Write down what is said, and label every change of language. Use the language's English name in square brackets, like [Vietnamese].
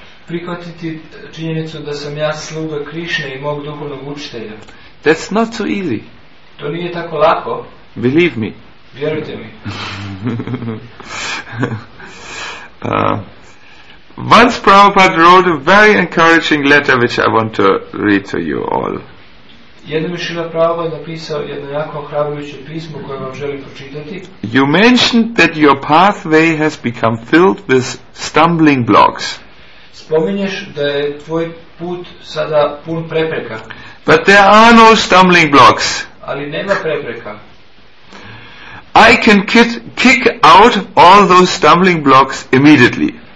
[Croatian] Prihvatiti činjenicu da sam ja sluga Krišne i mog duhovnog učitelja. [English] That's not so easy. [Croatian] To nije tako lako. [English] Believe me. [Croatian] Vjerujte mi. [English] Once Prabhupada wrote a very encouraging letter which I want to read to you all. [Croatian] Jednom je Šrila Prabhupada napisao jedno jako ohrabrujuće pismo koje vam želim pročitati. [English] You mentioned that your pathway has become filled with stumbling blocks. [Croatian] Spominješ da je tvoj put sada pun prepreka. [English] But there are no stumbling blocks. [Croatian] Ali nema prepreka. [English] I can kick out all those stumbling blocks immediately.